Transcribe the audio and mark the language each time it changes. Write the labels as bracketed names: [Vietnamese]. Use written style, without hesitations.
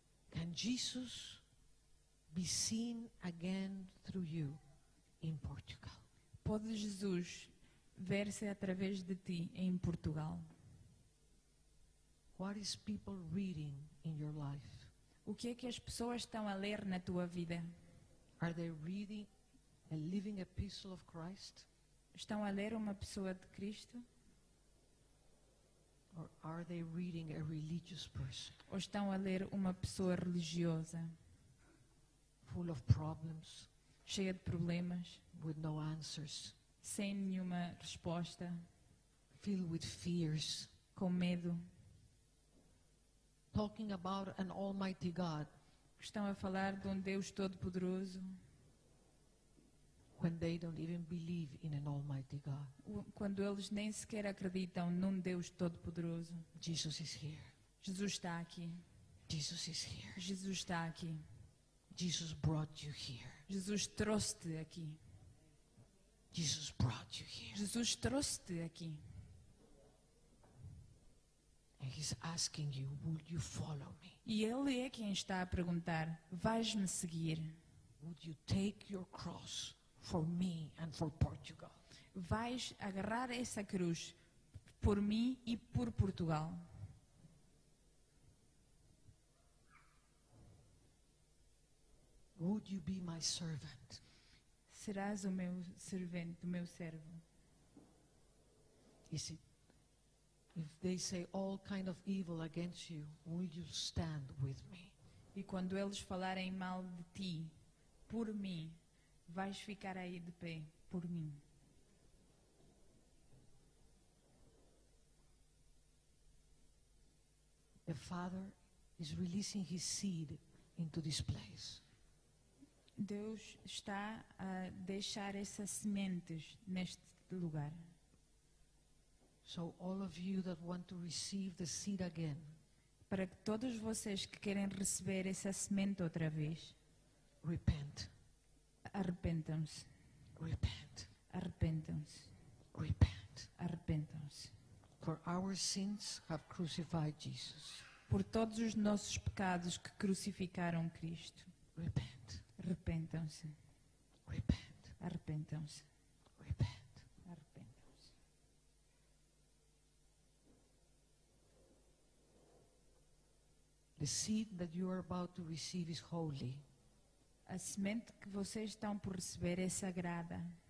[English] Can Jesus be seen again through you in Portugal? [Portuguese] Pode Jesus ver-se através de ti em Portugal? [English] What is people reading in your life? [Portuguese] O que é que as pessoas estão a ler na tua vida? [English] Are they reading a living epistle of Christ? [Portuguese] Estão a ler uma pessoa de Cristo? [English] Or are they reading a religious person? [Portuguese] Ou estão a ler uma pessoa religiosa? [English] Full of problems. [Portuguese] Cheia de problemas. [English] With no answers. [Portuguese] Sem nenhuma resposta. [English] Filled with fears. [Portuguese] Com medo. [English] Talking about an almighty God. [Portuguese] Estão a falar de Deus Todo-Poderoso. [English] When they don't even believe in an almighty God. [Portuguese] Quando eles nem sequer acreditam num Deus Todo-Poderoso. [English] Jesus is here. [Portuguese] Jesus está aqui. [English] Jesus is here. [Portuguese] Jesus está aqui. [English] Jesus brought you here. [Portuguese] Jesus trouxe-te aqui. [English] Jesus brought you here. [Portuguese] Jesus trouxe-te aqui. [English] And he's asking you, would you follow me? [Portuguese] E ele é quem está a perguntar, vais-me seguir? [English] Would you take your cross for me and for Portugal? [Portuguese] vais agarrar essa cruz por mim e por Portugal. [English] Would you be my servant? [Portuguese] Serás o meu servente, o meu servo. [English] Is it? If they say all kind of evil against you, will you stand with me? [Portuguese] E quando eles falarem mal de ti, por mim, vais ficar aí de pé, por mim. [English] The Father is releasing his seed into this place. [Portuguese] Deus está a deixar essas sementes neste lugar. [English] So all of you that want to receive the seed again. [Portuguese] Para que todos vocês que querem receber essa semente outra vez. [English] Repent. [Portuguese] Arrependam-se. [English] Repent. [Portuguese] Arrependam-se. [English] Repent. [Portuguese] Arrependam-se. [English] For our sins have crucified Jesus. [Portuguese] Por todos os nossos pecados que crucificaram Cristo. [English] Repent. [Portuguese] Arrependam-se. [English] Repent. [Portuguese] Arrependam-se. [English] Repent. [Portuguese] Arrependam-se. [English] The seed that you are about to receive is holy. [Portuguese] A semente que vocês estão por receber é sagrada.